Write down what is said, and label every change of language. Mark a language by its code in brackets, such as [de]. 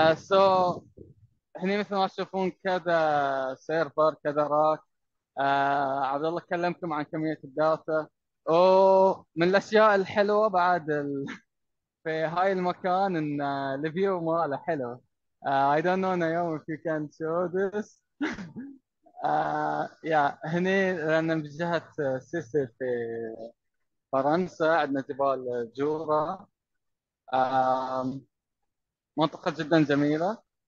[en] So [ar] هني مثل ما تشوفون كذا سيرفر كذا راك. عبد الله كلمكم عن كمية الداتا، ومن الأشياء الحلوة بعد في هاي المكان إن الفيو ماله حلو. [en] I don't know [ar] أنا يوم [en] if you can show this. [ar] يا هني لأن بجهة سيسي في فرنسا عندنا جبال جورا، منطقة جدا جميلة.